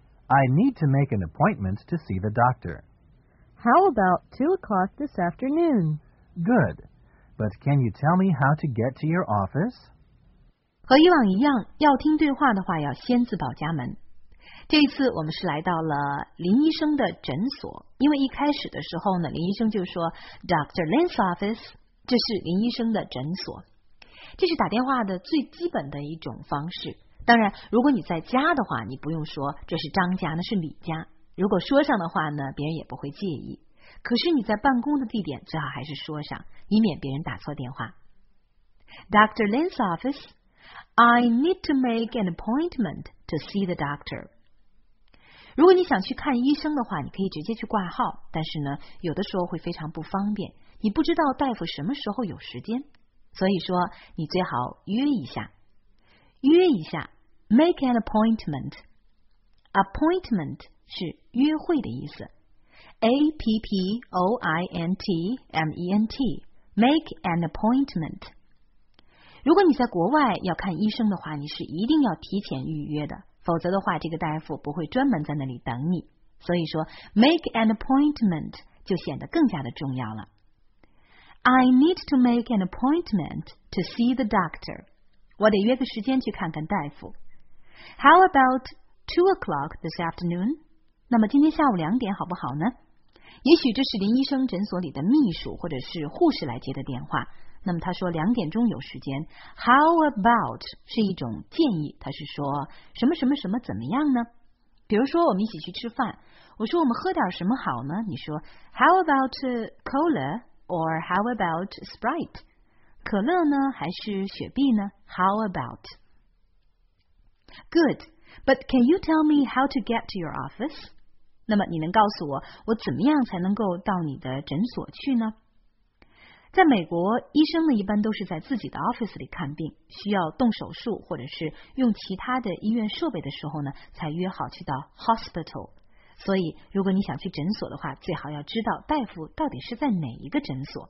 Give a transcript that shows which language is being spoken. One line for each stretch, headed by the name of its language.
English: I need to make an appointment to see the doctor. How about 2 o'clock this afternoon? Good. But can you tell me how to get to your office?
Chinese: 和以往一样，要听对话的话要先自报家门。这一次我们是来到了林医生的诊所，因为一开始的时候呢，林医生就说 Dr.
English: Lin's office，
Chinese: 这是林医生的诊所。这是打电话的最基本的一种方式。当然，如果你在家的话，你不用说这是张家，那是李家。如果说上的话呢，别人也不会介意。可是你在办公的地点，最好还是说上，以免别人打错电话。
English: Dr. Lin's office, I need to make an appointment to see the doctor.
Chinese: 如果你想去看医生的话，你可以直接去挂号，但是呢，有的时候会非常不方便，你不知道大夫什么时候有时间。所以说，你最好约一下，约一下 ，
English: make an appointment。
Chinese: appointment 是约会的意思 ，appointment，
English: make an appointment。
Chinese: 如果你在国外要看医生的话，你是一定要提前预约的，否则的话，这个大夫不会专门在那里等你。所以说 ，
English: make an appointment
Chinese: 就显得更加的重要了。
English: I need to make an appointment to see the doctor.
Chinese: 我得约个时间去看看大夫。
English: How about 2 o'clock this afternoon?
Chinese: 那么今天下午两点好不好呢？也许这是林医生诊所里的秘书或者是护士来接的电话。那么他说两点钟有时间。How about 是一种建议，他是说什么什么什么怎么样呢？比如说我们一起去吃饭，我说我们喝点什么好呢？你说
English: How about cola? Or how about Sprite?
Chinese: 可乐呢还是雪碧呢 ?How about?
English: Good, but can you tell me how to get to your office?
Chinese: 那么你能告诉我我怎么样才能够到你的诊所去呢？在美国，医生呢一般都是在自己的 office 里看病，需要动手术或者是用其他的医院设备的时候呢才约好去到 hospital。所以，如果你想去诊所的话，最好要知道大夫到底是在哪一个诊所。